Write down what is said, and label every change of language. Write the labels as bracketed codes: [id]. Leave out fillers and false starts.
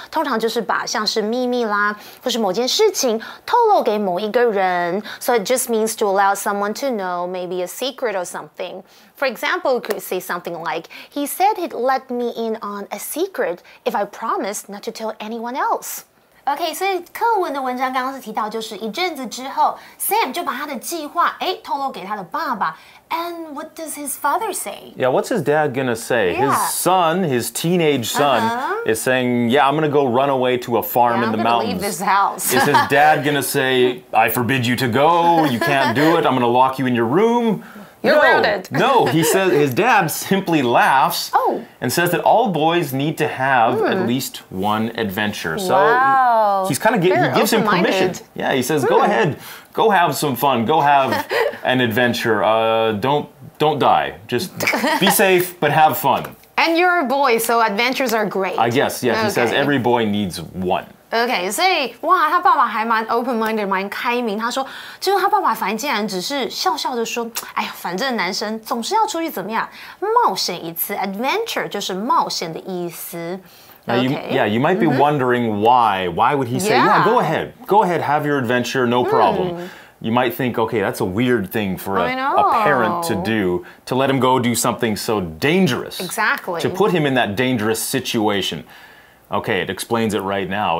[zh] 通常就是把像是秘密啦，或是某件事情透露给某一个人。 [en] So it just means to allow someone to know maybe a secret or something. For example, you could say something like, he said he'd let me in on a secret if I promised not to tell anyone else. [zh] Okay, 所以课文的文章刚刚是提到就是一阵子之后 ,Sam 就把他的计划透露给他的爸爸。 [en] And what does his father say? Yeah, what's his dad gonna say? Yeah. His son, his teenage son, is saying, yeah, I'm gonna go run away to a farm in the mountains. I'm gonna leave this house. Is his dad gonna say, I forbid you to go, you can't do it, I'm gonna lock you in your room? You're no, he says his dad simply laughs and says that all boys need to have at least one adventure. Wow. So he's kind of he gives him permission. Yeah, he says, go ahead, go have some fun, go have an adventure. Don't don't die. Just be safe, but have fun. And you're a boy, so adventures are great. I guess, yes. Okay. He says every boy needs one. [zh] Okay, 所以哇，他爸爸还蛮 open-minded, 蛮开明。他说，就是他爸爸反正竟然只是笑笑的说，哎呀，反正男生总是要出去怎么样，冒险一次。 Adventure 就是冒险的意思。 [en] Now you, yeah, you might be wondering why. Why would he say, yeah, go ahead. Go ahead, have your adventure, no problem. You might think, okay, that's a weird thing for a parent to do, to let him go do something so dangerous. Exactly. To put him in that dangerous situation. Okay, it explains it right now.